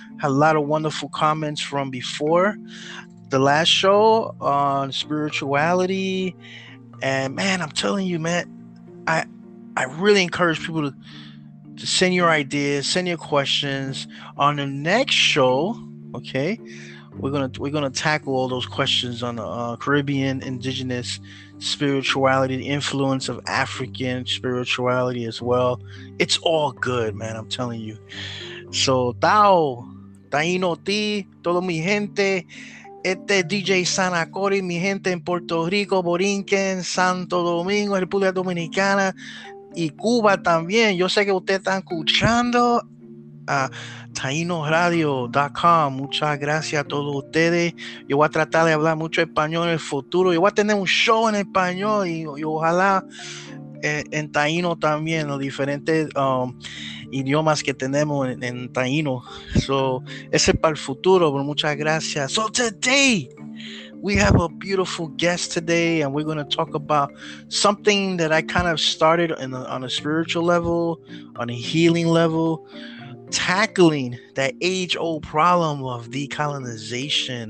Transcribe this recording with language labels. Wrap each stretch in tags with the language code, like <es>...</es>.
<en>Had a lot of wonderful comments from before the last show on spirituality, and man, I'm telling you, man, I really encourage people to send your ideas, send your questions on the next show. Okay, we're gonna tackle all those questions on the Caribbean indigenous spirituality, the influence of African spirituality as well. It's all good, man, I'm telling you.</en> <es>So Tao, Taino ti, todo mi gente, este DJ Sanacori, mi gente en Puerto Rico, Borinquen, Santo Domingo, República Dominicana y Cuba también. Yo sé que usted está escuchando a TainoRadio.com. Muchas gracias a todos ustedes. Yo voy a tratar de hablar mucho español en el futuro. Yo voy a tener un show en español y ojalá en Taino también, los diferentes idiomas que tenemos en Taino. So, ese es para el futuro, pero muchas gracias.</es> <en>So, today we have a beautiful guest today, and we're going to talk about something that I kind of started on a spiritual level, on a healing level, tackling that age-old problem of decolonization.</en>